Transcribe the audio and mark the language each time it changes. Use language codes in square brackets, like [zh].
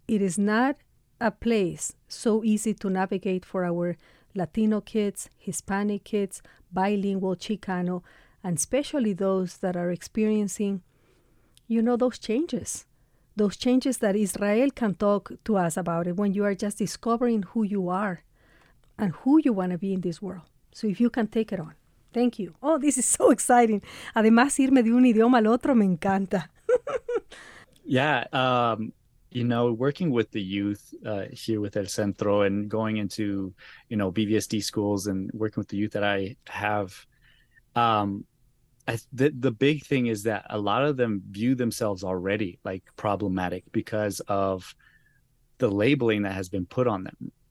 [en] It is not a place so easy to navigate for our Latino kids, Hispanic kids, bilingual, Chicano, and especially those that are experiencing, you know, those changes that Israel can talk to us about it when you are just discovering who you are and who you want to be in this world. So if you can take it on. Thank you. Oh, this is so exciting. [es] Además, irme de un idioma al otro me encanta. [en] Yeah. You know, working with the youth here with El Centro and going into, you know, BVSD schools and working with the youth that I have, the big thing is that a lot of them view themselves already like problematic because of the labeling that has been put on them.